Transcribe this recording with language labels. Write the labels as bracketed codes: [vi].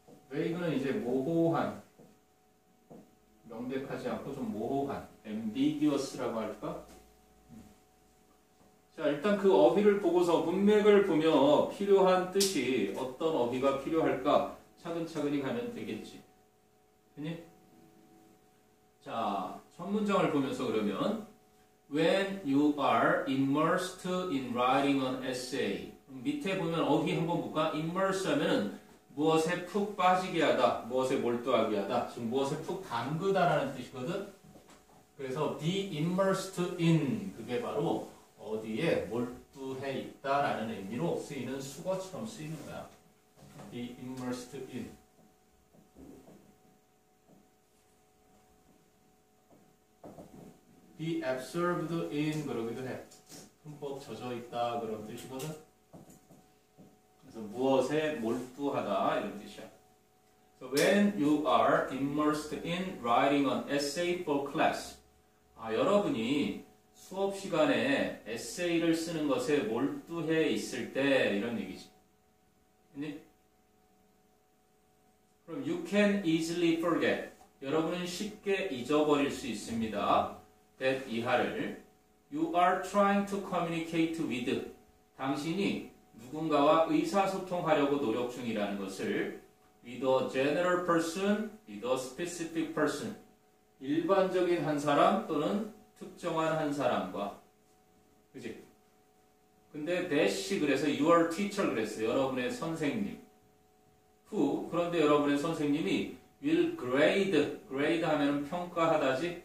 [ko] 베이그는 이제 모호한, 명백하지 않고 좀 모호한, ambiguous라고 할까? 자, 일단 그 어휘를 보고서 문맥을 보며 필요한 뜻이 어떤 어휘가 필요할까 차근차근히 가면 되겠지. 그니? 자, 첫 문장을 보면서 그러면 [en] When you are immersed in writing an essay. [ko] 밑에 보면 어휘 한번 볼까? immerse 하면은 무엇에 푹 빠지게 하다, 무엇에 몰두하게 하다, 지금 무엇에 푹 담그다라는 뜻이거든. 그래서 be immersed in, 그게 바로 어디에 몰두해 있다라는 의미로 쓰이는 수거처럼 쓰이는 거야. [en] be immersed in. be absorbed in [ko] 그러기도 해. 흠뻑 젖어있다 그런 뜻이거든. 그래서 무엇에 몰두하다 이런 뜻이야. [en] So when you are immersed in writing an essay for class, [ko] 아, 여러분이 수업 시간에 에세이를 쓰는 것에 몰두해 있을 때 이런 얘기지. 했니? [en] 그럼 you can easily forget. [ko] 여러분은 쉽게 잊어버릴 수 있습니다. [en] That [ko] 이하를 [en] you are trying to communicate with. [ko] 당신이 누군가와 의사소통하려고 노력 중이라는 것을 [en] with a general person, with a specific person. [ko] 일반적인 한 사람 또는 특정한 한 사람과. 그지? 근데 대시 그래서 your teacher 그랬어요. 여러분의 선생님. [en] Who? [ko] 그런데 여러분의 선생님이 [en] will grade. [ko] grade 하면 평가하다지.